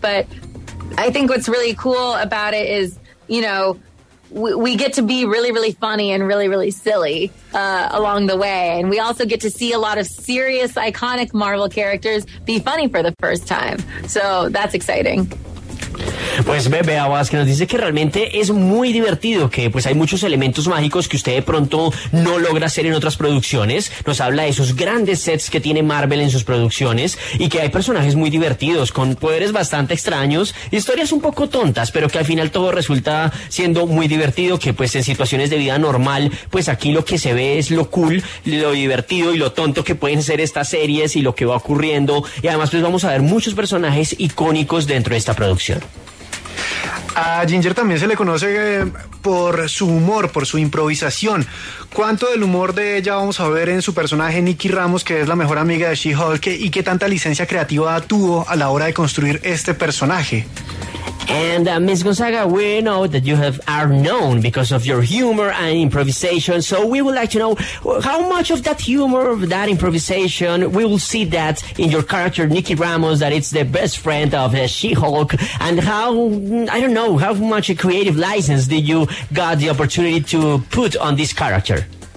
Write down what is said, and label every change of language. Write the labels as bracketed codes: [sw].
[en] But I think what's really cool about it is, you know, we get to be really, really funny and really, really silly along the way. And we also get to see a lot of serious, iconic Marvel characters be funny for the first time. So that's exciting. [es] Pues Bebe Abbas que nos dice que realmente es muy divertido, que pues hay muchos elementos mágicos que usted de pronto no logra hacer en otras producciones. Nos habla de esos grandes sets que tiene Marvel en sus producciones y que hay personajes muy divertidos con poderes bastante extraños, historias un poco tontas, pero que al final todo resulta siendo muy divertido, que pues en situaciones de vida normal pues aquí lo que se ve es lo cool, lo divertido y lo tonto que pueden ser estas series y lo que va ocurriendo. Y además pues vamos a ver muchos personajes icónicos dentro de esta producción. A Ginger también se le conoce por su humor, por su improvisación. ¿Cuánto del humor de ella vamos a ver en su personaje Nikki Ramos, que es la mejor amiga de She-Hulk, y qué tanta licencia creativa tuvo a la hora de construir este personaje? [en] And Ms. Gonzaga, we know that you are known because of your humor and improvisation, so we would like to know how much of that humor, of that improvisation, we will see that in your character, Nikki Ramos, that it's the best friend of She-Hulk, and how, I don't know, how much a creative license did you got the opportunity to put on this character?